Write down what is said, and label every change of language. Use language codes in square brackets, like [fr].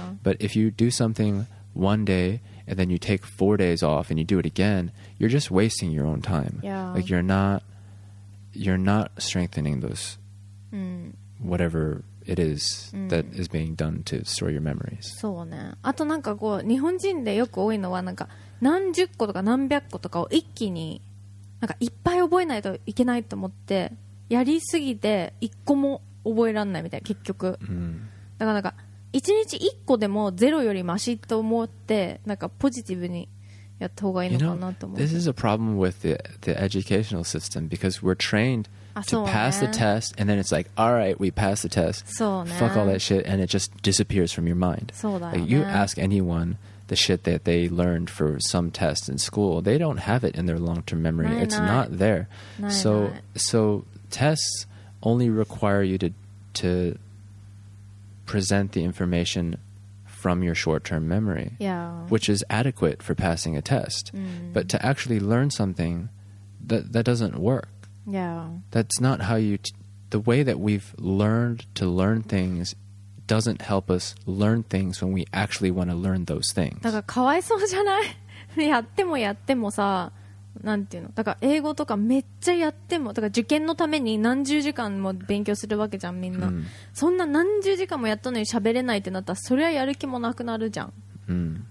[en] But if you do something one day, and then you take 4 days off and you do it again, you're just wasting your own time. Like you're not strengthening those whatever it is that is being done to store your memories. [ja] そうね。あとなんかこう日本人でよく多いのはなんか何十個とか何百個とかを一気になんかいっぱい覚えないといけないと思ってやりすぎて一個も覚えられないみたいな結局。だからなんか1日1個でもゼロよりマシと思ってなんかポジティブにやった方がいいのかなと思って。 [en] You know, this is a problem with the educational system because we're trained to pass the test and then it's like, all right, we passed the test. [ja] そうね。 [en] Fuck all that shit and it just disappears from your mind. [ja] そうだよね。 [en] Like, you ask anyone the shit that they learned for some test in school, they don't have it in their long-term memory. [ja] ないない。 [en] It's not there. So tests only require you to present the information from your short-term memory, which is adequate for passing a test. But to actually learn something, that doesn't work. That's not how you... The way that we've learned to learn things doesn't help us learn things when we actually want to learn those things. [ja] だからかわいそうじゃない?やってもやってもさ、なんていうの? だから英語とかめっちゃやっても、だから受験のために何十時間も勉強するわけじゃん、みんな。そんな何十時間もやったのに喋れないってなったら、それはやる気もなくなるじゃん。